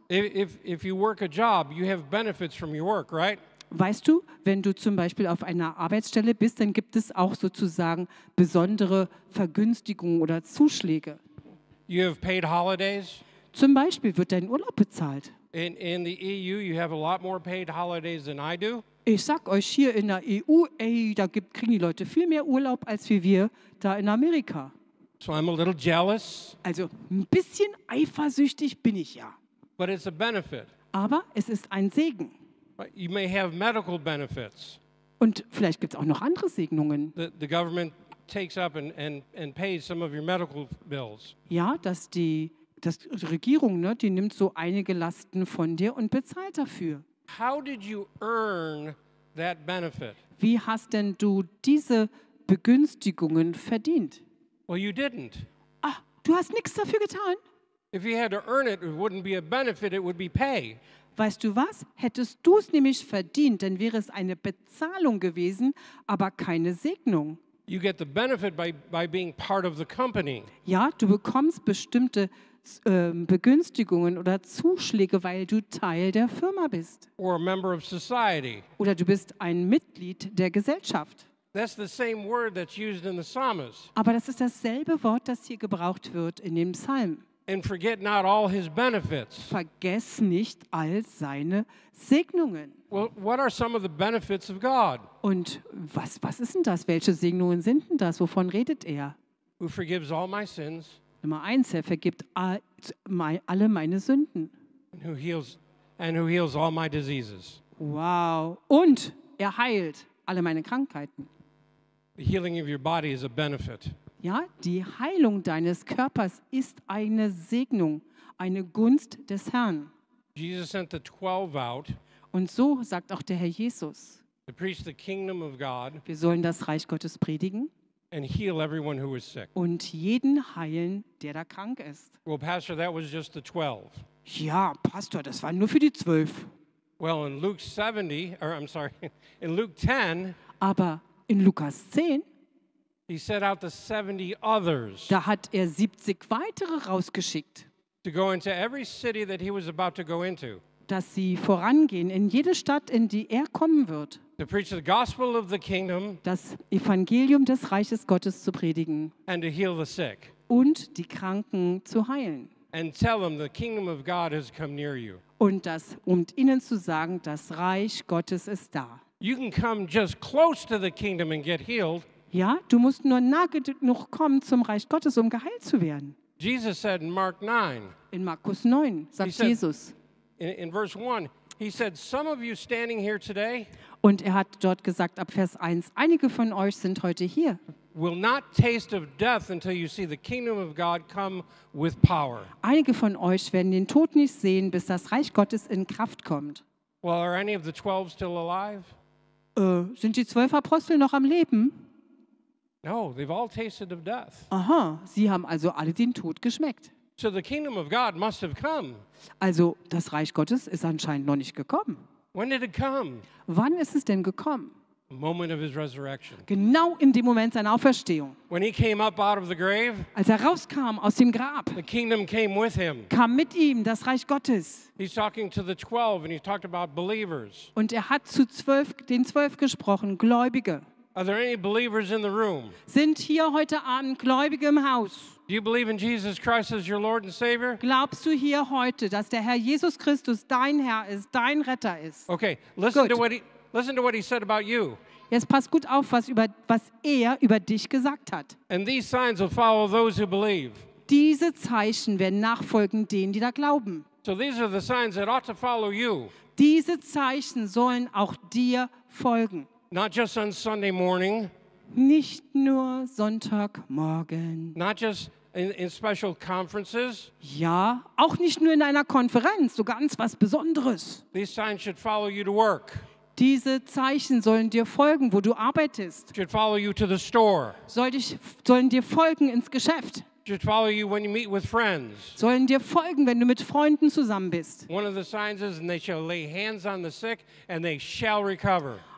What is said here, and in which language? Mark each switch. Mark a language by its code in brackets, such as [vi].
[en] If you work a job, you have benefits from your work, right? [de] Weißt du, wenn du zum Beispiel auf einer Arbeitsstelle bist, dann gibt es auch sozusagen besondere Vergünstigungen oder Zuschläge. [en] You have paid holidays. [de] Zum Beispiel wird dein Urlaub bezahlt. [en] In the EU, you have a lot more paid holidays than I do. [de] Ich sag euch hier in der EU, kriegen die Leute viel mehr Urlaub als wir da in Amerika. [en] So I'm a little jealous. [de] Also ein bisschen eifersüchtig bin ich ja. [en] But it's a benefit. [de] Aber es ist ein Segen. [en] You may have medical benefits. [de] Und vielleicht gibt's auch noch andere Segnungen. [en] The government takes up and pays some of your medical bills. [de] Ja, dass die Regierung, ne, die nimmt so einige Lasten von dir und bezahlt dafür. [en] How did you earn that benefit? [de] Wie hast denn du diese Begünstigungen verdient? [en] Well, you didn't. [de] Ah, du hast nichts dafür getan. [en] If you had to earn it, it wouldn't be a benefit, it would be pay. [de] Weißt du was? Hättest du es nämlich verdient, dann wäre es eine Bezahlung gewesen, aber keine Segnung. [en] You get the benefit by being part of the company. [de] Ja, du bekommst bestimmte Begünstigungen oder Zuschläge, weil du Teil der Firma bist. [en] Or a member of society. [de] Oder du bist ein Mitglied der Gesellschaft. [en] That's the same word that's used in the psalmist. [de] Aber das ist dasselbe Wort, das hier gebraucht wird in dem Psalm. [en] And forget not all his benefits. [de] Vergess nicht all seine Segnungen. [en] Well, what are some of the benefits of God? [de] Und was ist denn das? Welche Segnungen sind denn das? Wovon redet er? [en] Who forgives all my sins? [de] Nummer eins, er vergibt alle meine Sünden. [en] And who heals all my diseases. [de] Wow. Und er heilt alle meine Krankheiten. [en] The healing of your body is a benefit. [de] Ja, die Heilung deines Körpers ist eine Segnung, eine Gunst des Herrn. [en] Jesus sent the 12 out. [de] Und so sagt auch der Herr Jesus, [en] to preach the kingdom of God, [de] wir sollen das Reich Gottes predigen [en] and heal everyone who is sick. [de] Und jeden heilen, der da krank ist. [en] Well, Pastor, that was just the 12. [de] Ja, Pastor, das war nur für die 12. [en] Well, in Luke 70, or I'm sorry, in Luke 10, [de] aber in Lukas 10, [en] he set out the 70 others. [de] Da hat er 70 weitere rausgeschickt. [en] To go into every city that he was about to go into. [de] Dass sie vorangehen in jede Stadt, in die er kommen wird. [en] To preach the gospel of the kingdom. [de] Das Evangelium des Reiches Gottes zu predigen. [en] And to heal the sick. [de] Und die Kranken zu heilen. [en] And tell them the kingdom of God has come near you. [de] Und das, um ihnen zu sagen, das Reich Gottes ist da. [en] You can come just close to the kingdom and get healed. [de] Ja, du musst nur nah genug kommen zum Reich Gottes, um geheilt zu werden. [en] Jesus said in Mark 9. [de] In Markus 9 sagt [en] he said, [de] Jesus. [en] In verse 1, he said, some of you standing here today. [de] Und er hat dort gesagt ab Vers 1, einige von euch sind heute hier. [en] Will not taste of death until you see the kingdom of God come with power. [de] Einige von euch werden den Tod nicht sehen, bis das Reich Gottes in Kraft kommt. [en] Well, are any of the 12 still alive? [de] Sind die 12 Apostel noch am Leben? [en] No, they've all tasted of death. [de] Aha, sie haben also alle den Tod geschmeckt. [en] So the kingdom of God must have come. [de] Also, das Reich Gottes ist anscheinend noch nicht gekommen. [en] When did it come? [de] Wann ist es denn gekommen? [en] The moment of his resurrection. [de] Genau in dem Moment seiner Auferstehung. [en] When he came up out of the grave. [de] Als er rauskam aus dem Grab. [en] The kingdom came with him. [de] Kam mit ihm das Reich Gottes. [en] He's talking to the 12 and he talked about believers. [de] Und er hat zu den zwölf gesprochen, Gläubige. [en] Are there any believers in the room? [de] Sind hier heute Abend Gläubige im Haus? [en] Do you believe in Jesus Christ as your Lord and Savior? [de] Glaubst du hier heute, dass der Herr Jesus Christus dein Herr ist, dein Retter ist? [en] Okay, listen to what he said about you. [de] Jetzt pass gut auf, was er über dich gesagt hat. [en] And these signs will follow those who believe. [de] Diese Zeichen werden nachfolgen denen, die da glauben. [en] So these are the signs that ought to follow you. [de] Diese Zeichen sollen auch dir folgen. [en] Not just on Sunday morning. [de] Nicht nur Sonntagmorgen. [en] Not just in special conferences. [de] Ja, auch nicht nur in einer Konferenz, so ganz was Besonderes. [en] These signs should follow you to work. [de] Diese Zeichen sollen dir folgen, wo du arbeitest. [en] Should follow you to the store. [de] Sollen dir folgen ins Geschäft. [en] Should follow you when you meet with friends. [de] Sollen dir folgen, wenn du mit Freunden zusammen bist. [en] One of the signs is, and they shall lay hands on the sick, and they shall recover.